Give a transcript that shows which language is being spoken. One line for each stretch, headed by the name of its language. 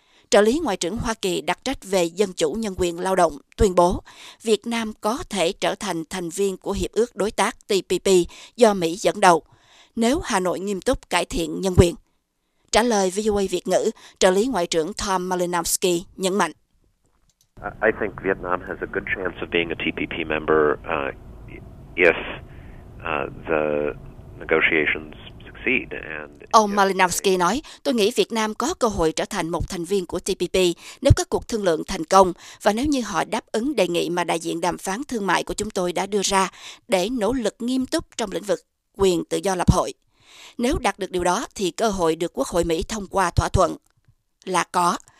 Vietnamese: Trợ lý Ngoại trưởng Hoa Kỳ đặc trách về dân chủ nhân quyền lao động tuyên bố Việt Nam có thể trở thành thành viên của Hiệp ước Đối tác TPP do Mỹ dẫn đầu nếu Hà Nội nghiêm túc cải thiện nhân quyền. Trả lời VOA Việt ngữ, trợ lý Ngoại trưởng Tom Malinowski nhấn mạnh.
English: I think Vietnam has a good chance of being a TPP member if the negotiations.
Vietnamese: Ông Malinowski nói, tôi nghĩ Việt Nam có cơ hội trở thành một thành viên của TPP nếu các cuộc thương lượng thành công và nếu như họ đáp ứng đề nghị mà đại diện đàm phán thương mại của chúng tôi đã đưa ra để nỗ lực nghiêm túc trong lĩnh vực quyền tự do lập hội. Nếu đạt được điều đó thì cơ hội được Quốc hội Mỹ thông qua thỏa thuận là có.